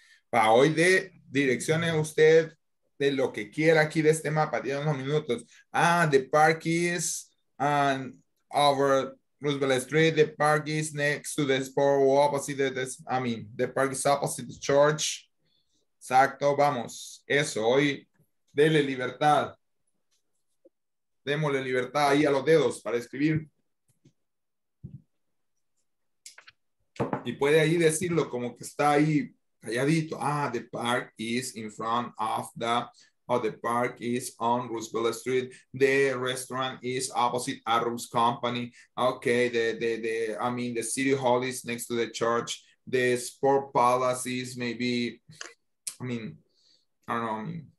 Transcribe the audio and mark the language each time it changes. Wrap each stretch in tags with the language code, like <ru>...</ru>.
<es>Para hoy de direcciones usted de lo que quiera aquí de este mapa, tiene unos minutos.</es> <en>Ah, the park is over Roosevelt Street. The park is next to the sport o opposite the, the park is opposite the church.</en> <es>Exacto, vamos. Eso, hoy dele libertad. Démosle libertad ahí a los dedos para escribir. Y puede ahí decirlo como que está ahí calladito.</es> <en>Ah, the park is in front of the, oh, the park is on Roosevelt Street. The restaurant is opposite Arrows Company. Okay, the city hall is next to the church. The sport palace is maybe, I don't know.</en>